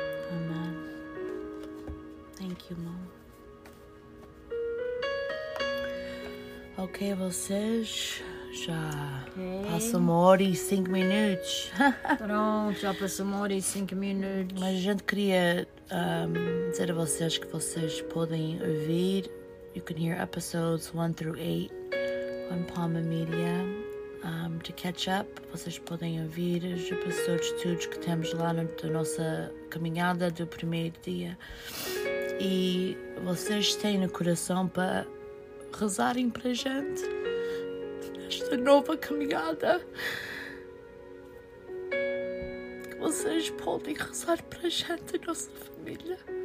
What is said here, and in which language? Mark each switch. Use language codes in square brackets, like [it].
[en] Amém. Thank you, Mom. [pt] Ok, vocês... Já passou uma hora e cinco minutos. Pronto, já passou uma hora e cinco minutos. Mas a gente queria dizer a vocês que vocês podem ouvir. [en] You can hear episodes 1 through 8 on Palma Media. To catch up, [pt] vocês podem ouvir os episódios todos que temos lá na nossa caminhada do primeiro dia. E vocês têm no coração para rezarem para a gente. Esta nova caminhada, que vocês podem rezar para a gente, a nossa família.